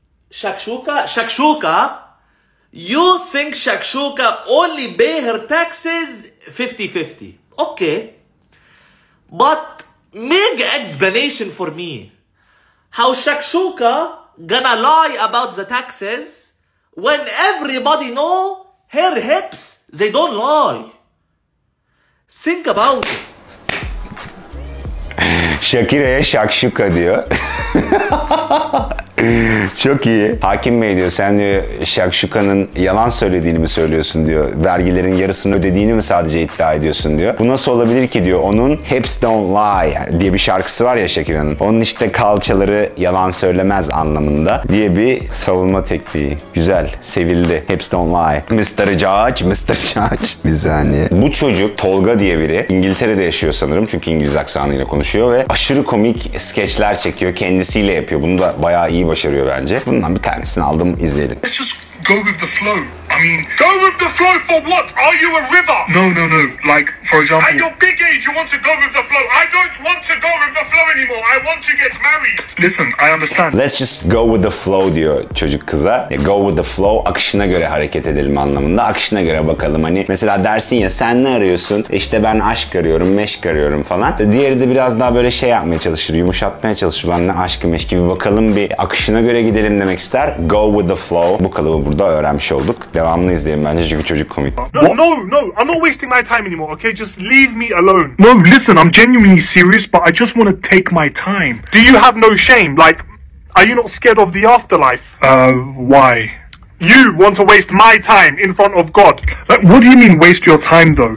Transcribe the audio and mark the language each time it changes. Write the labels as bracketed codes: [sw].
[en] Shakshuka? You think Shakshuka only pay her taxes 50-50? Okay. But make explanation for me. How Shakshuka gonna lie about the taxes when everybody know her hips, they don't lie. Think about it. [tr] Shakira'ya Shakshuka diyor. Çok iyi. Hakim Bey diyor, sen diyor Shakshuka'nın yalan söylediğini mi söylüyorsun diyor. Vergilerin yarısını ödediğini mi sadece iddia ediyorsun diyor. Bu nasıl olabilir ki diyor. Onun Hips Don't Lie diye bir şarkısı var ya Shakira'nın. Onun işte kalçaları yalan söylemez anlamında diye bir savunma tekniği. Güzel, sevildi. Hips Don't Lie. [en] Mr. Judge. [tr] Bir saniye. Bu çocuk Tolga diye biri. İngiltere'de yaşıyor sanırım. Çünkü İngiliz aksanıyla konuşuyor ve aşırı komik skeçler çekiyor. Kendisiyle yapıyor. Bunu da bayağı iyi başarıyor bence. Bundan bir tanesini aldım, izleyelim. [en] Let's just go with the flow. I mean, go with the flow for what? Are you a river? No. Like, for example... At your big age, you want to go with the flow. I don't want to go with the flow anymore. I want to get married. Listen, I understand. Let's just go with the flow [tr] diyor çocuk kıza. [en] Go with the flow, [tr] akışına göre hareket edelim anlamında. Akışına göre bakalım. Hani mesela dersin ya, sen ne arıyorsun? İşte ben aşk arıyorum, meşk arıyorum falan. Diğeri de biraz daha böyle şey yapmaya çalışır, yumuşatmaya çalışır. Ben ne aşkı meşk gibi bakalım, bir akışına göre gidelim demek ister. [en] Go with the flow. [tr] Bu kalıbı burada öğrenmiş olduk. Devamını izleyin bence çünkü çocuk komik. [en] No, I'm not wasting my time anymore, okay? Just leave me alone. No, listen, I'm genuinely serious, but I just want to take my time. Do you have no shame? Like, are you not scared of the afterlife? Why? You want to waste my time in front of God. Like, what do you mean waste your time though?